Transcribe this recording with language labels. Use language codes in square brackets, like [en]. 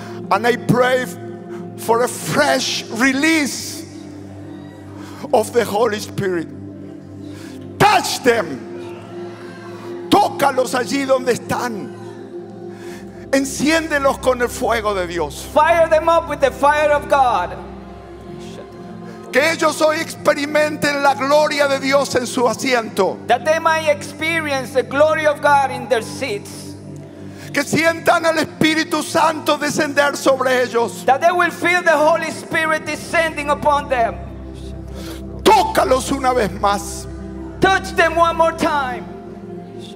[en] And I pray for a fresh release of the Holy Spirit. Touch them. [es] Tócalos allí donde están. Enciéndelos con el fuego de Dios. [en] Fire them up with the fire of God. [es] Que ellos hoy experimenten la gloria de Dios en su asiento. [en] That they may experience the glory of God in their seats. [es] Que sientan al Espíritu Santo descender sobre ellos. [en] That they will feel the Holy Spirit descending upon them. [es] Tócalos una vez más. [en] Touch them one more time.